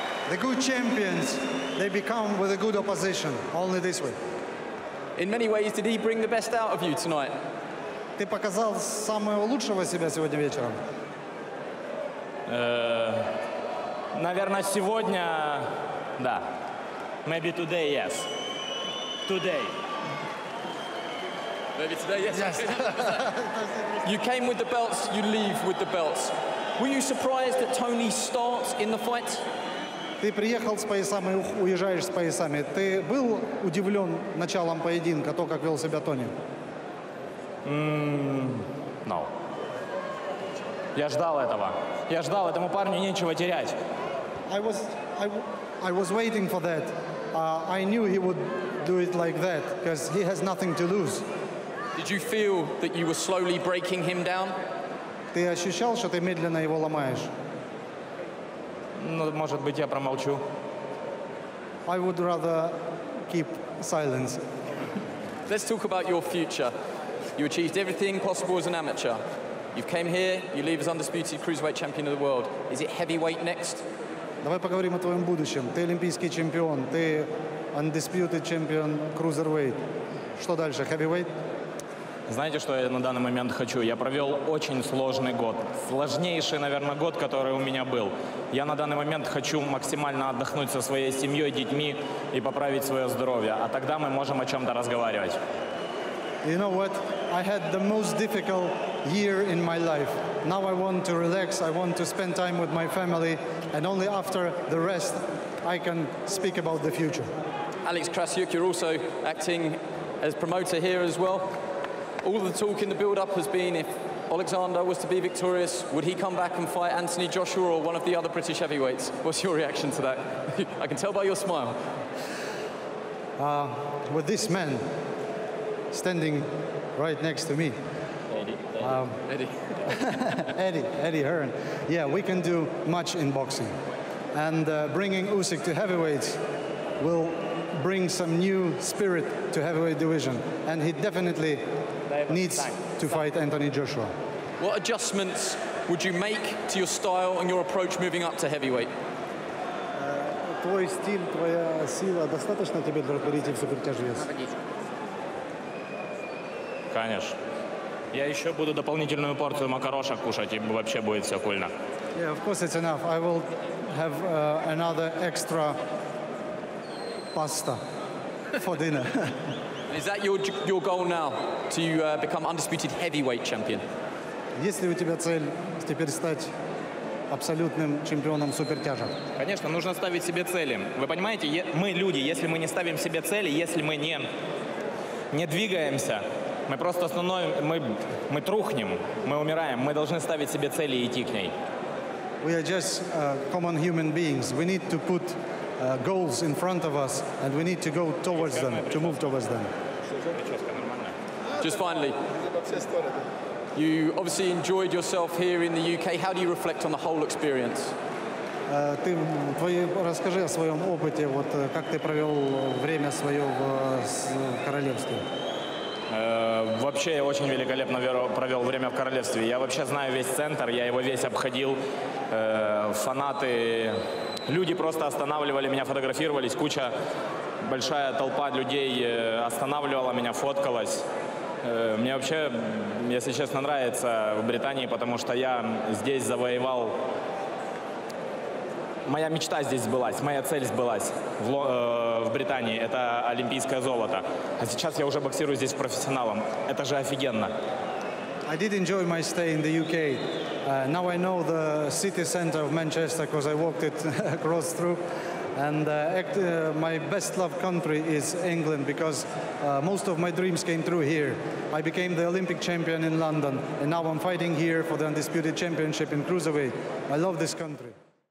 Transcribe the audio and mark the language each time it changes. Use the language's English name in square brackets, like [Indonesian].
[English] The good champions, they become with a good opposition. Only this way. In many ways, did he bring the best out of you tonight? [Russian] Ты показал самого лучшего себя сегодня вечером. Наверное, сегодня, да. [English] Maybe today, yes. Today. Maybe today, yes. Yes. You came with the belts, you leave with the belts. Were you surprised that Tony starts in the fight? [Russian] Ты приехал с поясами, уезжаешь с поясами. Ты был удивлен началом поединка, то, как вел себя Тони? [English] No. [Russian] Я ждал этого. Я ждал, этому парню нечего терять. [English] I was waiting for that. I knew he would do it like that, because he has nothing to lose. Did you feel that you were slowly breaking him down? [Russian] Ты ощущал, что ты медленно его ломаешь? Ну, может быть, я промолчу. [English] I would rather keep silence. Let's talk about your future. You achieved everything possible as an amateur. You've came here, you leave as undisputed cruiserweight champion of the world. Is it heavyweight next? [Russian] Давай поговорим о твоем будущем. Ты олимпийский чемпион, ты [English] undisputed champion cruiserweight. [Russian] Что дальше, heavyweight? Знаете, что я на данный момент хочу? Я провел очень сложный год. Сложнейший, наверное, год, который у меня был. Я на данный момент хочу максимально отдохнуть со своей семьей, детьми и поправить свое здоровье. А тогда мы можем о чем-то разговаривать. [English] You know what? I had the most difficult year in my life. Now I want to relax, I want to spend time with my family, and only after the rest I can speak about the future. Alex Krasiuk, you're also acting as promoter here as well. All the talk in the build-up has been, if Oleksandr was to be victorious, would he come back and fight Anthony Joshua or one of the other British heavyweights? What's your reaction to that? I can tell by your smile. With this man standing right next to me. Eddie Hearn. Yeah, we can do much in boxing. And bringing Usyk to heavyweights will bring some new spirit to heavyweight division. And he definitely needs to fight Anthony Joshua. What adjustments would you make to your style and your approach moving up to heavyweight? [Russian] Твой стиль, твоя сила достаточно тебе для перейти в супертяжвес? Конечно. Я еще буду дополнительную порцию макарошек кушать, и вообще будет все кульно. [English] Yeah, of course it's enough. I will have another extra pasta for dinner. Is that your goal now, to become undisputed heavyweight champion? [Russian] Если у тебя цель теперь стать абсолютным чемпионом супертяжа? Конечно, нужно ставить себе цели. Вы понимаете, мы люди, если мы не ставим себе цели, если мы не двигаемся, мы просто мы трухнем, мы умираем. Мы должны ставить себе цели и идти к ней. [English] We are just common human beings. We need to put goals in front of us, and we need to go towards them, to move towards them. Just finally, you obviously enjoyed yourself here in the UK. How do you reflect on the whole experience? [Russian] Расскажи о своем опыте, вот как ты провел время свое в королевстве. Вообще я очень великолепно провел время в королевстве. Я вообще знаю весь центр, я его весь обходил. Фанаты, люди просто останавливали меня, фотографировались. Куча, большая толпа людей останавливала меня, фоткалась. Мне вообще, если честно, нравится в Британии, потому что я здесь завоевал. Моя мечта здесь сбылась, моя цель сбылась в Британии. Это олимпийское золото. А сейчас я уже боксирую здесь с профессионалом. Это же офигенно. [English] I did enjoy my stay in the UK. Now I know the city center of Manchester because I walked it across through. And my best loved country is England because most of my dreams came through here. I became the Olympic champion in London, and now I'm fighting here for the undisputed championship in cruiserweight. I love this country.